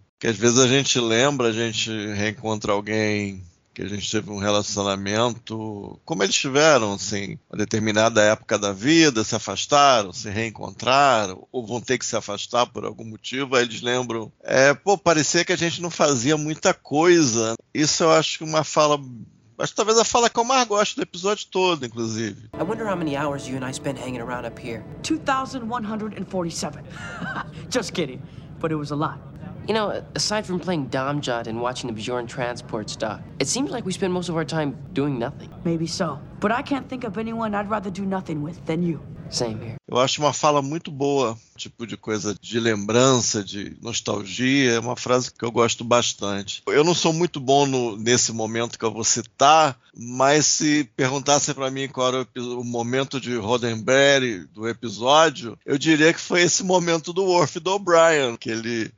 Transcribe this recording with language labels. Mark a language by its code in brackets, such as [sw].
[pt] que às vezes a gente lembra, a gente reencontra alguém que a gente teve um relacionamento, como eles tiveram, assim, uma determinada época da vida, se afastaram, se reencontraram, ou vão ter que se afastar por algum motivo, aí eles lembram, parecia que a gente não fazia muita coisa. Isso eu acho que uma fala, acho que talvez a fala que eu mais gosto do episódio todo, inclusive. [en] I wonder how many hours you and I spent hanging around up here. 2,147. Just kidding, but it was a lot. You know, aside from playing Domjot and watching the Bajoran transport stuff, it seems like we spend most of our time doing nothing. Maybe so, but I can't think of anyone I'd rather do nothing with than you. Same here. [pt] Eu acho uma fala muito boa, tipo de coisa de lembrança, de nostalgia, é uma frase que eu gosto bastante. Eu não sou muito bom nesse momento que eu vou citar, mas se perguntassem pra mim qual era o momento de Roddenberry do episódio, eu diria que foi esse momento do Worf e do O'Brien, que ele...